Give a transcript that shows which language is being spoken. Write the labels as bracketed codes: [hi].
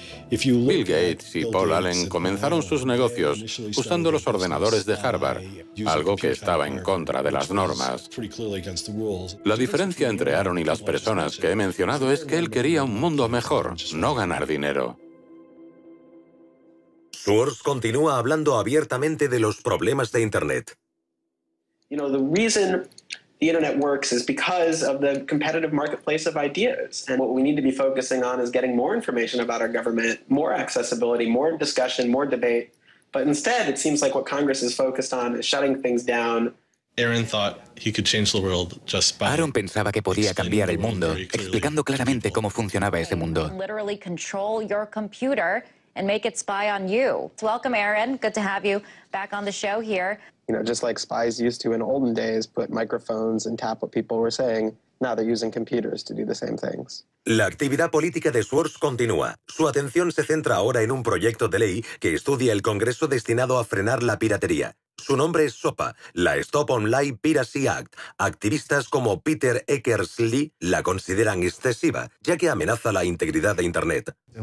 [es] Bill Gates y Paul Allen comenzaron sus negocios usando los ordenadores de Harvard, algo que estaba en contra de las normas. La diferencia entre Aaron y las personas que he mencionado es que él quería un mundo mejor, no ganar dinero. Swords continúa hablando abiertamente de los problemas de Internet. [en] You know, the reason... the internet works is because of the competitive marketplace of ideas. And what we need to be focusing on is getting more information about our government, more accessibility, more discussion, more debate. But instead, it seems like what Congress is focused on is shutting things down. [es] Aaron pensaba que podía cambiar el mundo explicando claramente cómo funcionaba ese mundo. [en] Literally control your computer and make it spy on you. Welcome, Aaron. Good to have you back on the show here. You know, just like spies used to in olden days, put microphones and tap what people were saying. Now they're using computers to do the same things. [es] La actividad política de Swartz continúa. Su atención se centra ahora en un proyecto de ley que estudia el Congreso destinado a frenar la piratería. Su nombre es SOPA, la Stop Online Piracy Act. Activistas como Peter Eckersley la consideran excesiva, ya que amenaza la integridad de Internet.